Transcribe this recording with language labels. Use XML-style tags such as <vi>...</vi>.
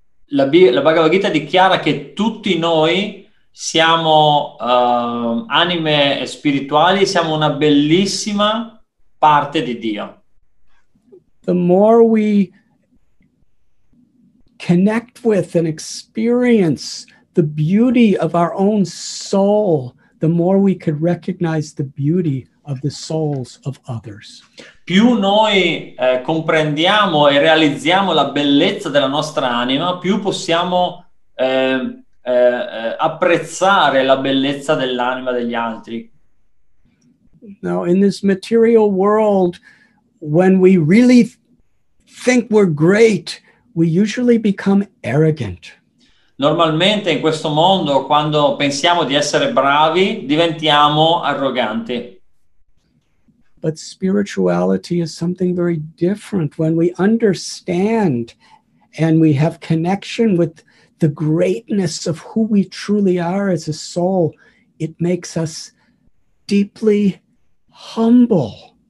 <it>La Bhagavad Gita dichiara che tutti noi siamo anime spirituali, siamo una bellissima parte di Dio.</it> <en>The more we connect with and experience the beauty of our own soul, the more we could recognize the beauty of the souls of others.</en> <it>Più noi comprendiamo e realizziamo la bellezza della nostra anima, più possiamo apprezzare la bellezza dell'anima degli altri.</it> <en>Now, in this material world, when we really think we're great, we usually become arrogant.</en> <it>Normalmente in questo mondo, quando pensiamo di essere bravi, diventiamo arroganti.</it> <en>But spirituality is something very different. When we understand and we have connection with the greatness of who we truly are as a soul, it makes us deeply humble.</en>